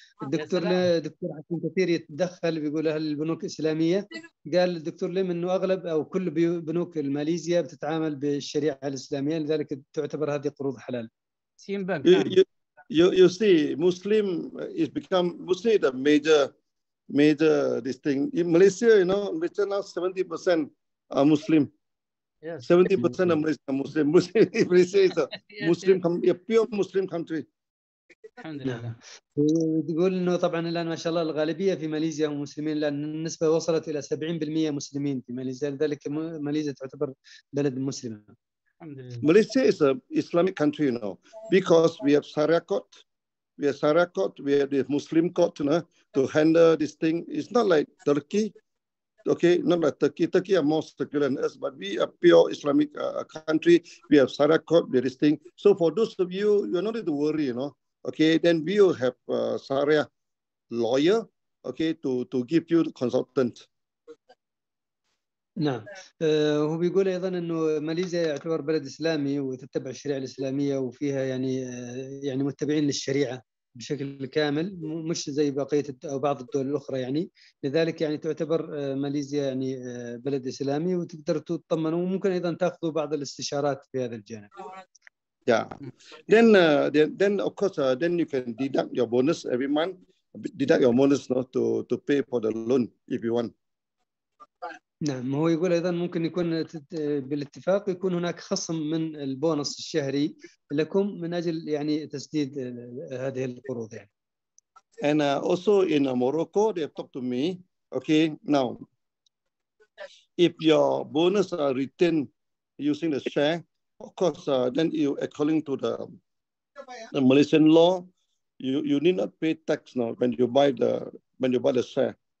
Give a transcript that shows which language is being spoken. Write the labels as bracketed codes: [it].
[ar] الدكتور حكيم كثير يتدخل بيقول هل البنوك إسلامية؟ قال الدكتور ليم إنه أغلب أو كل بنوك ماليزيا بتتعامل بالشريعة الإسلامية، لذلك تعتبر هذه قروض حلال. [en] Same bank. You see, Muslim is become Muslim the major this thing in Malaysia. You know, Malaysia now 70% are Muslim. Yes. 70% of Malaysia are Muslim. Malaysia is a Muslim, a pure Muslim country. [ar] الحمد لله. تقول انه طبعا الان ما شاء الله الغالبيه في ماليزيا هم مسلمين، لان النسبه وصلت الى 70% مسلمين في ماليزيا، لذلك ماليزيا تعتبر بلد مسلم. الحمد لله. [en] Malaysia is a Islamic country, you know, because we have Sharia court, we have the Muslim court, you know, to handle this thing. It's not like Turkey, okay, not like Turkey. Turkey are more secular than us, but we are pure Islamic country. We have Sharia court, we have this thing. So for those of you are not to worry, you know. Okay, then we will have a Sharia lawyer, okay, to give you the consultant. [ar] نعم. هو بيقول أيضا إنه ماليزيا يعتبر بلد إسلامي وتتبع الشريعة الإسلامية وفيها يعني متبعين للشريعة بشكل كامل، مش زي بقية أو بعض الدول الأخرى يعني، لذلك يعني تعتبر ماليزيا يعني بلد إسلامي وتقدر تطمن، وممكن أيضا تأخذوا بعض الاستشارات في هذا الجانب. [en] Yeah. Then of course, then you can deduct your bonus every month. Deduct your bonus, no, to pay for the loan if you want. [ar] نعم. هو يقول أيضا ممكن يكون بالاتفاق يكون هناك خصم من البونص الشهري لكم من أجل يعني تسديد هذه القروض يعني. [en] And also in Morocco, they have talked to me. Okay. Now, if your bonus are retained using the share. Of course, then you according to the Malaysian law, you need not pay tax now when you buy the share.